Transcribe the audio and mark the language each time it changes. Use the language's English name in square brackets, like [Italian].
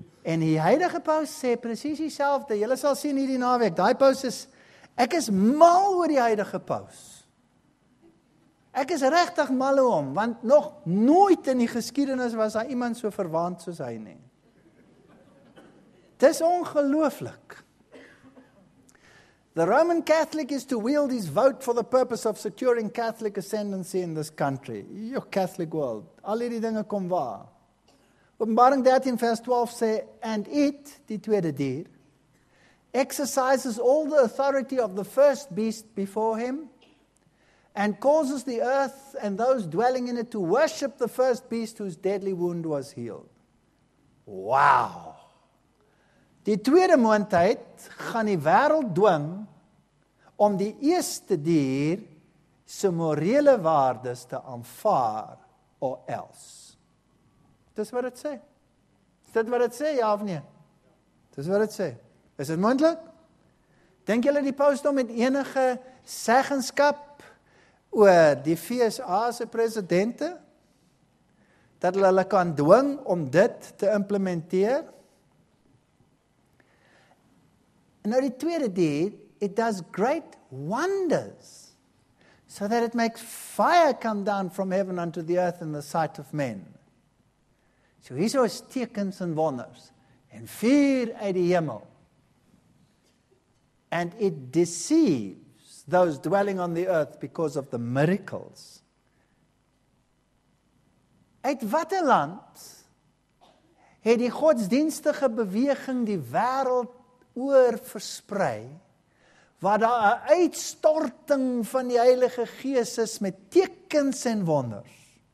[Afrikaans] En die huidige paus sê presies dieselfde. Julle sal sien hierdie naweek. Daai paus is ek is mal oor die huidige paus. Ek is regtig mal oor hom, want nog nooit in die geskiedenis was daar iemand so verwaand soos hy nie. Dis ongelooflik. [English] The Roman Catholic is to wield his vote for the purpose of securing Catholic ascendancy in this country. Your Catholic world. [Afrikaans] Al hierdie dinge kom waar. Openbaring 13 vers 12 sê, [English] and it, [Afrikaans] die tweede dier, [English] exercises all the authority of the first beast before him, and causes the earth and those dwelling in it to worship the first beast whose deadly wound was healed. Wow! [Afrikaans] Die tweede moontheid gaan die wêreld dwing om die eerste dier se morele waardes te aanvaar [English] or else. [Afrikaans] Dis wat het sê. Is dit wat het sê, ja of nie? Dis wat het sê. Is dit moontlik? Denk julle die pausdom met enige seggenskap oor die VSA se presidente dat hulle kan dwing om dit te implementeer? Nou die tweede deed, [English] it does great wonders so that it makes fire come down from heaven unto the earth in the sight of men. [Afrikaans] So hier is tekens en wonders en vuur uit die hemel. [English] And it deceives those dwelling on the earth because of the miracles. [Afrikaans] Uit watter land het die godsdienstige beweging die wêreld oor versprei waar daar 'n uitstorting van die Heilige Gees is met tekens en wonders?